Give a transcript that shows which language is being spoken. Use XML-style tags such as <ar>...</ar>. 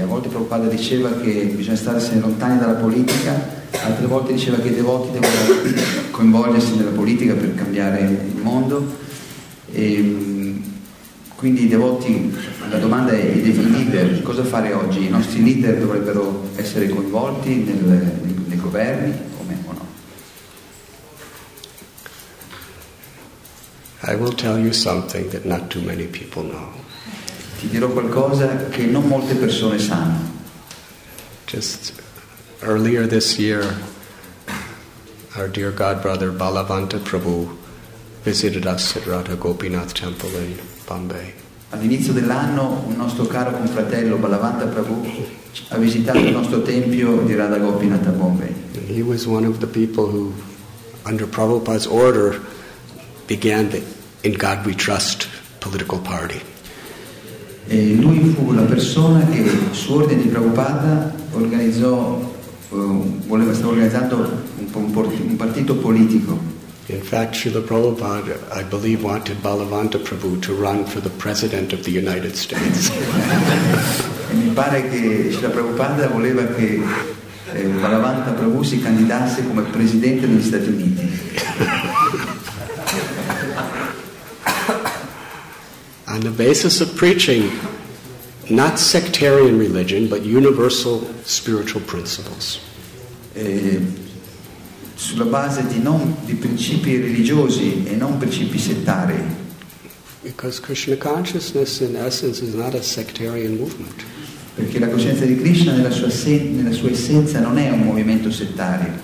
<it>A volte Prabhupada diceva che bisogna stare lontani dalla politica, altre volte diceva che i devoti devono coinvolgersi nella politica per cambiare il mondo. E, quindi i devoti, la domanda è, i leader, cosa fare oggi? I nostri leader dovrebbero essere coinvolti nei governi?</it> <en>I will tell you something that not too many people know.</en> <it>Ti dirò qualcosa che non molte persone sanno.</it> <en>Just earlier this year, our dear godbrother Balavanta Prabhu visited us at Radha Gopinath Temple in Bombay.</en> <it>All'inizio dell'anno, un nostro caro confratello Balavanta Prabhu ha visitato il nostro tempio di Radha Gopinath a Bombay.</it> <en>And he was one of the people who, under Prabhupada's order, began the In God We Trust political party.</en> <it>E lui fu la persona che su ordine di Prabhupada organizzò, voleva stare organizzando un partito politico.</it> <en>In fact, Srila Prabhupada, I believe, wanted Balavanta Prabhu to run for the President of the United States.</en> <it>Mi pare che Srila Prabhupada voleva che Balavanta Prabhu si candidasse come Presidente degli Stati Uniti.</it> <en>On the basis of preaching, not sectarian religion, but universal spiritual principles.</en> <it>Sulla base di non di principi religiosi e non principi settari.</it> <en>Because Krishna consciousness in essence is not a sectarian movement.</en> <it>Perché la coscienza di Krishna nella sua essenza non è un movimento settario.</it>